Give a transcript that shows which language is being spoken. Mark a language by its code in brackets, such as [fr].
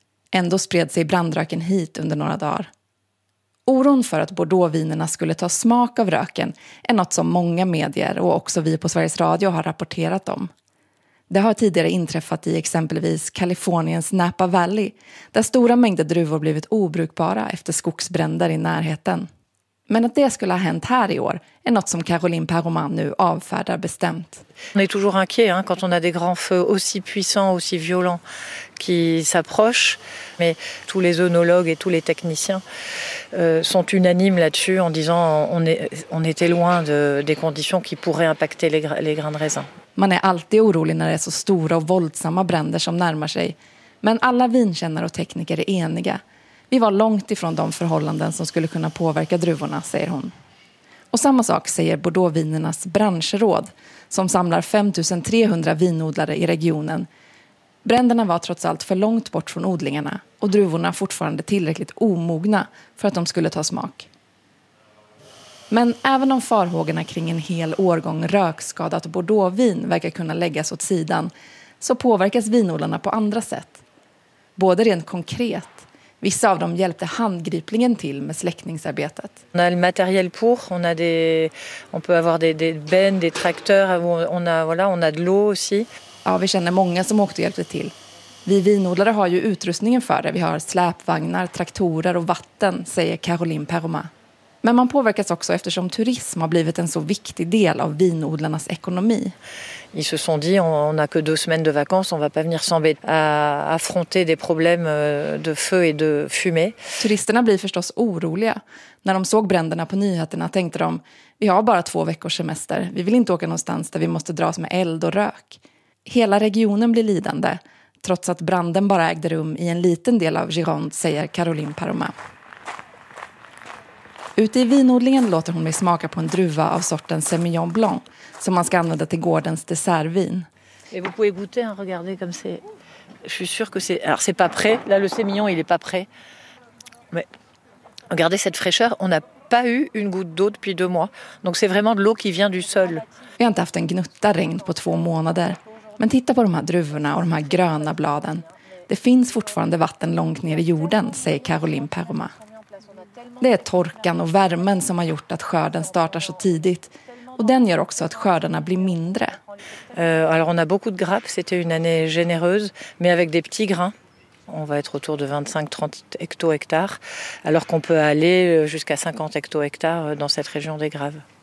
[sv] Ändå spred sig brandröken hit under några dagar. Oron för att Bordeaux-vinerna skulle ta smak av röken är något som många medier och också vi på Sveriges Radio har rapporterat om. Det har tidigare inträffat i exempelvis Kaliforniens Napa Valley, där stora mängder druvor blivit obrukbara efter skogsbränder i närheten. Men att det skulle ha hänt här i år är något som Caroline Perroman nu avfärdar bestämt. [fr] On est toujours inquiet hein, quand on a des grands feux aussi puissants, aussi violents qui s'approchent. Mais tous les œnologues et tous les techniciens sont unanimes là-dessus en disant on était loin des conditions qui pourraient impacter les grains de raisin. [sv] Man är alltid orolig när det är så stora och våldsamma bränder som närmar sig. Men alla vinkännare och tekniker är eniga. Vi var långt ifrån de förhållanden som skulle kunna påverka druvorna, säger hon. Och samma sak säger Bordeauxvinernas branschråd, som samlar 5300 vinodlare i regionen. Bränderna var trots allt för långt bort från odlingarna och druvorna fortfarande tillräckligt omogna för att de skulle ta smak. Men även om farhågorna kring en hel årgång rökskadat Bordeauxvin verkar kunna läggas åt sidan, så påverkas vinodlarna på andra sätt. Både rent konkret. Vissa av dem hjälpte handgripligen till med släckningsarbetet. [fr] On a le matériel pour, on peut avoir des bennes, des tracteurs, on a de l'eau aussi. [sv] Ja, vi känner många som också hjälpte till. Vi vinodlare har ju utrustningen för det. Vi har släpvagnar, traktorer och vatten, säger Caroline Perroma. Men man påverkas också eftersom turism har blivit en så viktig del av vinodlarnas ekonomi. [fr] Ils se sont dit on a que deux semaines de vacances, on va pas venir s'embêter à affronter des problèmes de feu et de fumée. [sv] Turisterna blir förstås oroliga. När de såg bränderna på nyheterna tänkte de, vi har bara två veckors semester. Vi vill inte åka någonstans där vi måste dras med eld och rök. Hela regionen blir lidande, trots att branden bara ägde rum i en liten del av Gironde, säger Caroline Perroma. Ute i vinodlingen låter hon mig smaka på en druva av sorten Semillon Blanc som man ska använda till gårdens dessertvin. [fr] Et vous pouvez goûter, hein, regardez comme c'est. Je suis sûr que c'est. Alors c'est pas prêt. Là le Semillon, il est pas prêt. Mais regardez cette fraîcheur, on n'a pas eu une goutte d'eau depuis deux mois. Donc c'est vraiment de l'eau qui vient du sol. Vi har inte haft en gnutta regn på två månader. Men titta på de här druvorna och de här gröna bladen. Det finns fortfarande vatten långt ner i jorden, säger Caroline Perroma. Det är torkan och värmen som har gjort att skörden startar så tidigt. Och den gör också att skördarna blir mindre. Alors on a beaucoup de grappes, c'était une année généreuse, mais avec des petits grains. On va être autour de 25-30 hecto-hectares, alors qu'on peut aller jusqu'à 50 hecto-hectares dans cette région des Graves.